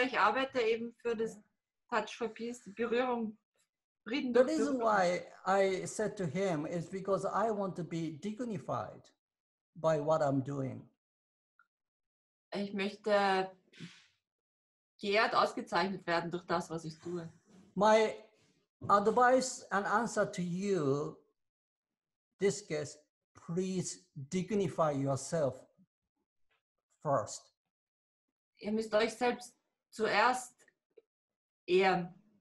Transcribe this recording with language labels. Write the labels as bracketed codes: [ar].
[de] Ich arbeite eben für das touch for peace, Berührung. [en] The reason why I said to him is because I want to be dignified by what I'm doing. [de] Ich möchte geehrt ausgezeichnet werden durch das, was ich tue. [en] My advice and answer to you, this guest, please dignify yourself first. [de] Ihr müsst euch selbst zuerst ehren.